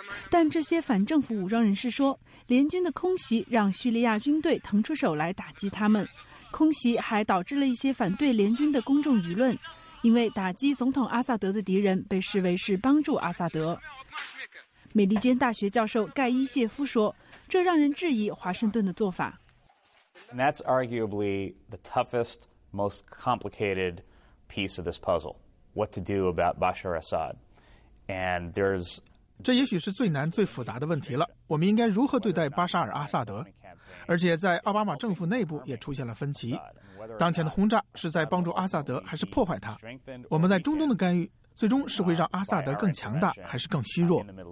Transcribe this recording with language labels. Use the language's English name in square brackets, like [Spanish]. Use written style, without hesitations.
[Chinese] 但这些反政府武装人士说，联军的空袭让叙利亚军队腾出手来打击他们，空袭还导致了一些反对联军的公众舆论，因为打击总统阿萨德的敌人被视为是帮助阿萨德。美利坚大学教授盖伊谢夫说，这让人质疑华盛顿的做法。 [English] That's arguably the toughest, most complicated piece of this puzzle. what to do about Bashar Assad. And there's [Chinese] 这也许是最难最复杂的问题了，我们应该如何对待巴沙尔阿萨德？而且在奥巴马政府内部也出现了分歧，当前的轰炸是在帮助阿萨德还是破坏他？我们在中东的干预最终是会让阿萨德更强大还是更虚弱？